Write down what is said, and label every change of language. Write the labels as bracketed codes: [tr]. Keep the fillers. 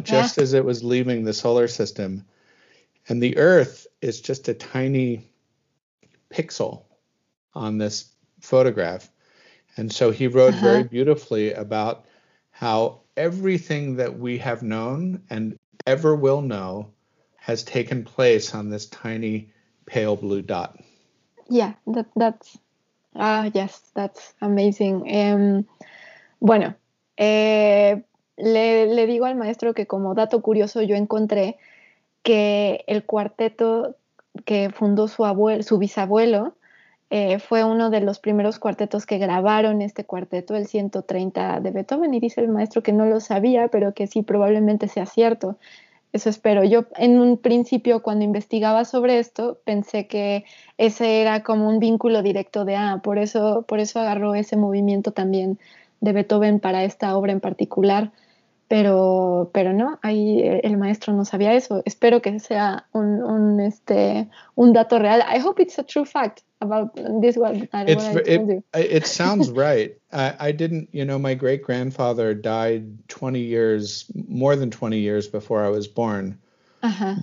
[en] just as it was leaving the solar system. And the Earth is just a tiny pixel on this photograph. And so he wrote uh -huh. very beautifully about how everything that we have known and ever will know has taken place on this tiny pale blue dot. Yeah, that, that's ah uh, yes, that's amazing. [es] Um, bueno, eh, le, le digo al maestro que como dato curioso yo encontré que el cuarteto que fundó su abuelo, su bisabuelo, Eh, fue uno de los primeros cuartetos que grabaron este cuarteto, el 130 de Beethoven, y dice el maestro que no lo sabía, pero que sí, probablemente sea cierto. Eso espero. Yo en un principio, cuando investigaba sobre esto, pensé que ese era como un vínculo directo de, ah, por eso, por eso agarró ese movimiento también de Beethoven para esta obra en particular. [en] But [es] pero, pero no, [en] the el didn't know that. I hope it's a true fact about this one. It, it, sounds right. I, I, didn't, you know, my great grandfather died 20 years, more than 20 years before I was born. Uh -huh.